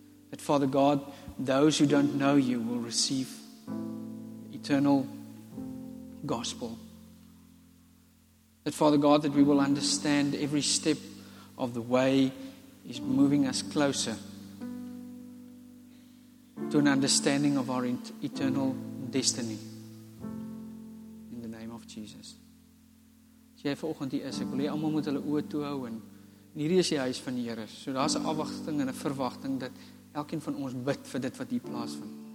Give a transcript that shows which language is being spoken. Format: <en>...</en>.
<en>That, Father God, those who don't know you will receive eternal gospel. That, Father God, that we will understand every step of the way is moving us closer to an understanding of our eternal destiny. In the name of Jesus.</en> <af>As jy vanoggend hier is, ek wil jy allemaal met hulle oë toehou en hier is die huis van die Here. So daar is een afwachting en een verwachting dat elkeen van ons bid vir dit wat hier plaasvind.</af>